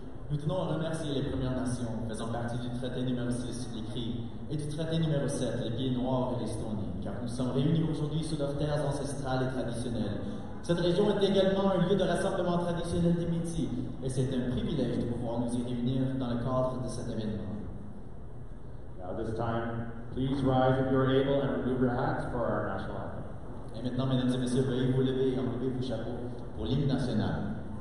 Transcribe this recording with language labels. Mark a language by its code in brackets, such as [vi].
[fr] Nous tenons à remercier les Premières Nations faisant partie du traité numéro 6, les Cris, et du traité numéro 7, les Pieds Noirs et l'Estonie, car nous sommes réunis aujourd'hui sur leurs terres ancestrales et traditionnelles. Cette région est également un lieu de rassemblement traditionnel des Métis, et c'est un privilège de pouvoir nous y réunir dans le cadre de cet événement. [en] Now this time, please rise if you are able and remove your hats for our national anthem. [fr] Et maintenant, mesdames et messieurs, veuillez vous lever et enlever vos chapeaux pour l'hymne national.